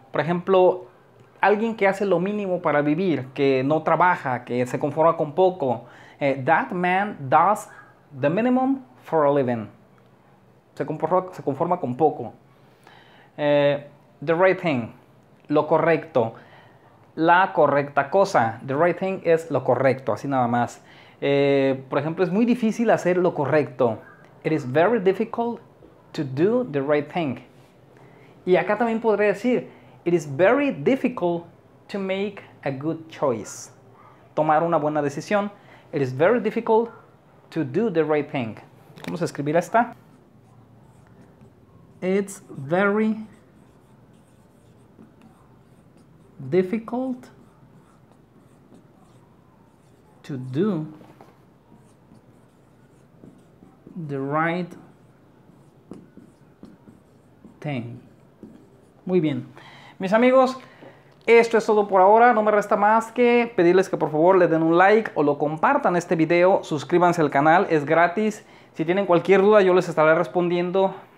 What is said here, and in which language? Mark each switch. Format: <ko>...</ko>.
<es>Por ejemplo, alguien que hace lo mínimo para vivir, que no trabaja, que se conforma con poco.</es> <en>That man does the minimum for a living.</en> <es>Se conforma con poco.</es> <en>The right thing.</en> <es>Lo correcto. La correcta cosa.</es> <en>The right thing</en> <es>es lo correcto, así nada más. Por ejemplo, es muy difícil hacer lo correcto.</es> <en>It is very difficult to do the right thing.</en> <es>Y acá también podría decir,</es> <en>it is very difficult to make a good choice.</en> <es>Tomar una buena decisión.</es> <en>It is very difficult to do the right thing.</en> <es>Vamos a escribir esta.</es> <en>It's very difficult to do the right thing.</en> <es>Muy bien. Mis amigos, esto es todo por ahora. No me resta más que pedirles que por favor le den un like o lo compartan este video. Suscríbanse al canal, es gratis. Si tienen cualquier duda, yo les estaré respondiendo.</es>